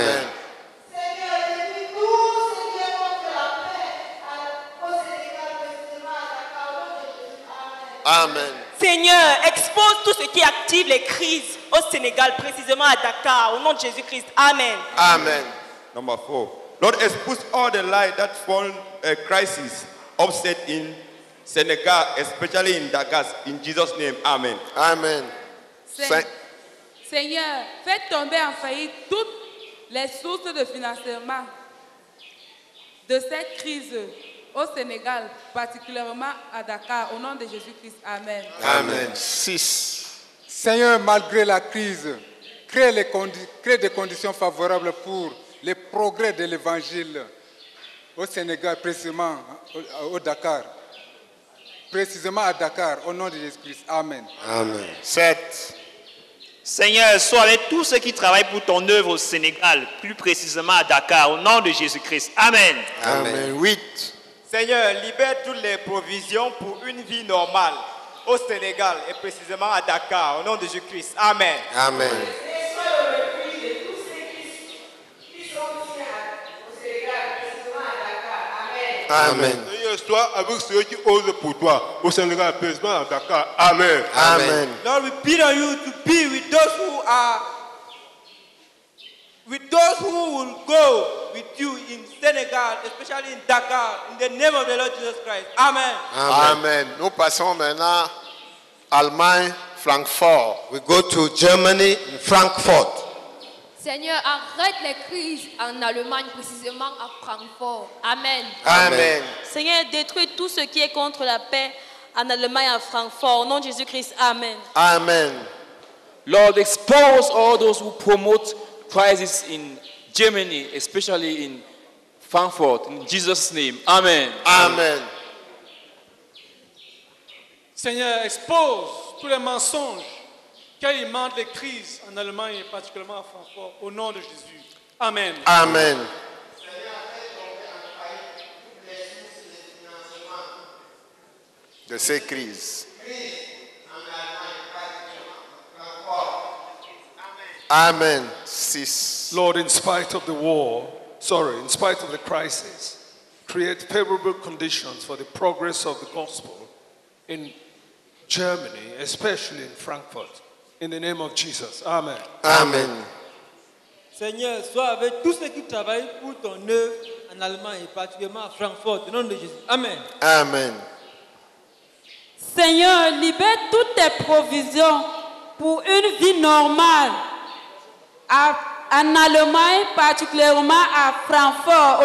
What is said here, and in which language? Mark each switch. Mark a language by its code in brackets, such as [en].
[fr] Seigneur, bénis-nous, Seigneur, contre la paix au Sénégal, précisément à Dakar, au nom de Jésus. Amen. Amen. Seigneur, expose tout ce qui active les crises au Sénégal, précisément à Dakar, au nom de Jésus-Christ. Amen. Amen. [en] Number 4. Lord, expose all the light that fallen a crisis upset in Senegal, especially in Dakar, in Jesus' name. Amen. Amen. [fr] Seigneur, fais tomber en faillite toutes les sources de financement de cette crise au Sénégal, particulièrement à Dakar, au nom de Jésus-Christ. Amen. Amen. 6. Seigneur, malgré la crise, crée des conditions favorables pour les progrès de l'Évangile au Sénégal, précisément au Dakar. Précisément à Dakar, au nom de Jésus-Christ. Amen. Amen. 7. Seigneur, sois avec tous ceux qui travaillent pour ton œuvre au Sénégal, plus précisément à Dakar, au nom de Jésus-Christ. Amen. Amen. 8. Seigneur, libère toutes les provisions pour une vie normale au Sénégal et précisément à Dakar, au nom de Jésus-Christ. Amen. Amen. Amen. Seigneur, sois avec ceux qui osent pour toi au Sénégal, précisément à Dakar. Amen. Amen. [en] Lord, we plead on you to be with those who are with those who will go with you in Senegal, especially in Dakar, in the name of the Lord Jesus Christ. Amen. [fr] Amen. Amen. Nous passons maintenant Allemagne, Francfort. [en] We go to Germany, Frankfurt. [fr] Seigneur, arrête les crises en Allemagne, précisément à Francfort. Amen. Amen. Seigneur, détruis tout ce qui est contre la paix en Allemagne, à Francfort. Au nom de Jésus-Christ, amen. Amen. [en] Lord, expose all those who promote crises in Germany, especially in Frankfurt, in Jesus' name. Amen. Amen. [fr] Seigneur, expose tous les mensonges qu'elle mente les crises en Allemagne et particulièrement à Francfort, au nom de Jésus. Amen. Amen. De ces crises. Amen. 6. [en] Lord, in spite of the war, in spite of the crisis, create favorable conditions for the progress of the gospel in Germany, especially in Frankfurt. In the name of Jesus. Amen. Amen. [fr] Seigneur, sois avec tous ceux qui travaillent pour ton œuvre en Allemagne et particulièrement à Francfort. Au nom de Jésus. Amen. Amen. Seigneur, libère toutes tes provisions pour une vie normale en Allemagne, particulièrement à Francfort.